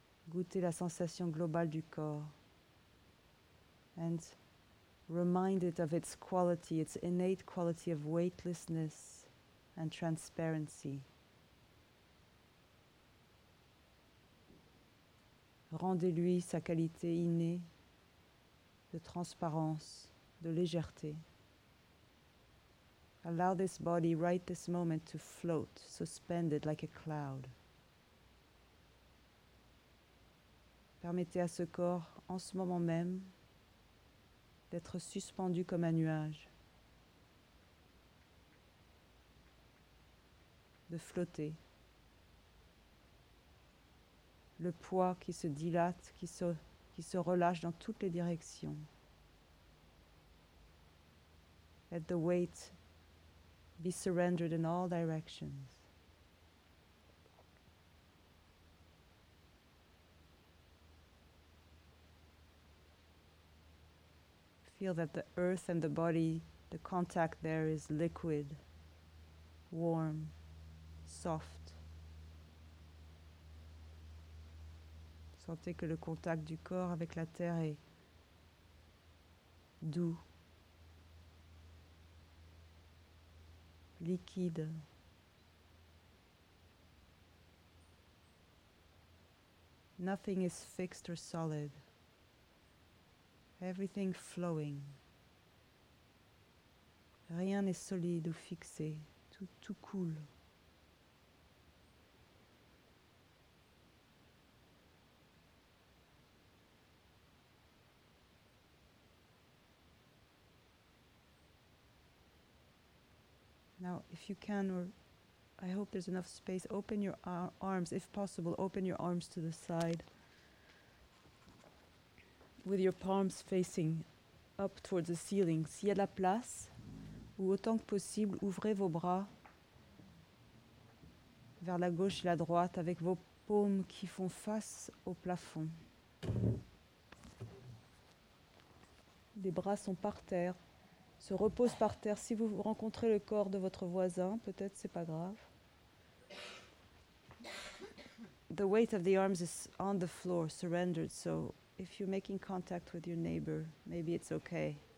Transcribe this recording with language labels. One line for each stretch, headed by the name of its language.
French: Goûtez la sensation globale du corps
English: and remind it of its quality, its innate quality of weightlessness and transparency.
French: Rendez-lui sa qualité innée de transparence, de légèreté.
English: Allow this body right this moment to float, suspended like a cloud.
French: Permettez à ce corps, en ce moment même, d'être suspendu comme un nuage, de flotter. Le poids qui se dilate, qui se relâche dans toutes les directions.
English: Let the weight be surrendered in all directions. Feel that the earth and the body, the contact there is liquid, warm, soft.
French: Sentez que le contact du corps avec la terre est doux. Liquide.
English: Nothing is fixed or solid. Everything flowing.
French: Rien n'est solide ou fixé. Tout coule.
English: Now, if you can, or I hope there's enough space, open your arms, if possible, open your arms to the side with your palms facing up towards the ceiling.
French: S'il y a de la place, ou autant que possible, ouvrez vos bras vers la gauche et la droite avec vos paumes qui font face au plafond. Les bras sont par terre. Se repose par terre. Si vous rencontrez le corps de votre voisin, peut-être c'est pas grave.
English: The weight of the arms is on the floor, surrendered. So if you're making contact with your neighbor, maybe it's okay.